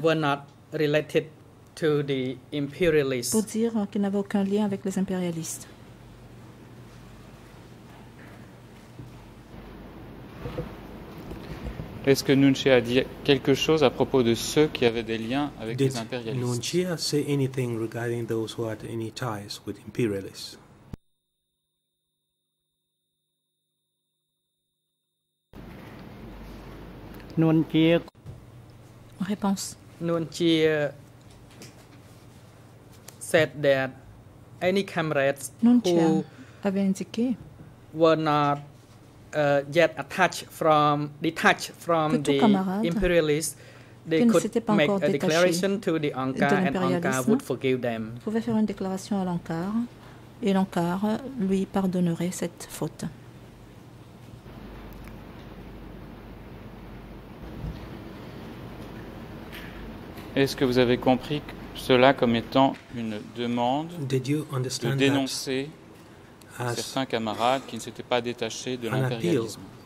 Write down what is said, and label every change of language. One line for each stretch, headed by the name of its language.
English: were not related to the imperialists.
French: Pour dire qu'ils n'avaient aucun lien avec les impérialistes. Est-ce que Nguyen Chia a dit quelque chose à propos de ceux qui avaient des liens avec les impérialistes?
English: Did Nguyen Chia say anything regarding those who had any ties with imperialists?
French: Nguyen Chia. Réponse.
English: Nguyen Chia said that any comrades who
French: avaient indiqué
English: were not yet detached from the imperialists, they could make a declaration to the Ankar, and Ankar would forgive them.
French: Pouvait faire une déclaration à l'Ankar, et l'Ankar lui pardonnerait cette faute. Est-ce que vous avez compris cela comme étant une demande de dénoncer certains camarades qui ne s'étaient pas détachés de l'impérialisme?